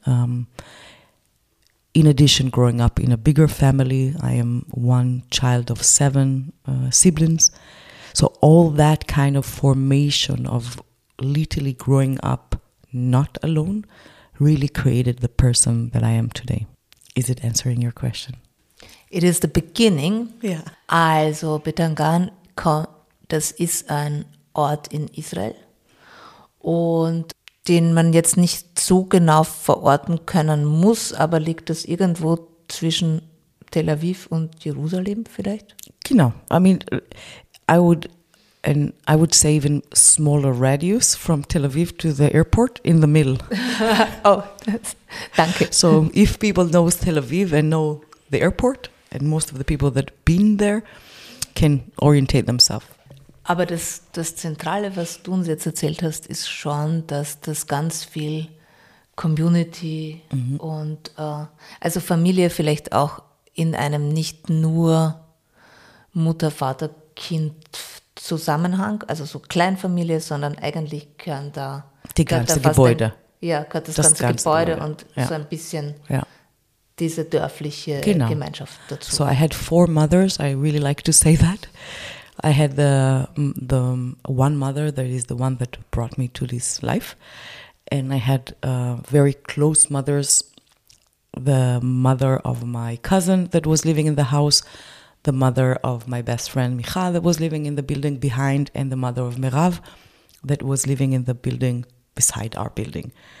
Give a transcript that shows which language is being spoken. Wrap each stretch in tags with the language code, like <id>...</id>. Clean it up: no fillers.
<en>In addition, growing up in a bigger family, I am one child of seven siblings. So all that kind of formation of literally growing up not alone really created the person that I am today. Is it answering your question? It is the beginning. Yeah.</en> <de>Also Betangan, das ist ein Ort in Israel und den man jetzt nicht so genau verorten können muss, aber liegt das irgendwo zwischen Tel Aviv und Jerusalem vielleicht? Genau.</de> <en>I mean, I would say even smaller radius from Tel Aviv to the airport in the middle.</en> <de>Oh, danke.</de> <en>So if people know Tel Aviv and know the airport, and most of the people that been there can orientate themselves.</en> <de>Aber das Zentrale, was du uns jetzt erzählt hast, ist schon, dass das ganz viel Community und also Familie vielleicht auch in einem nicht nur Mutter-Vater-Kind-Zusammenhang, also so Kleinfamilie, sondern eigentlich gehört da die ganze Gebäude. Gehört das ganze Gebäude und so ein bisschen diese dörfliche Gemeinschaft dazu.</de> <en>So I had four mothers, I really like to say that. I had the one mother that is the one that brought me to this life. And I had very close mothers, the mother of my cousin that was living in the house, the mother of my best friend Michal that was living in the building behind, and the mother of Merav that was living in the building beside our building.</en>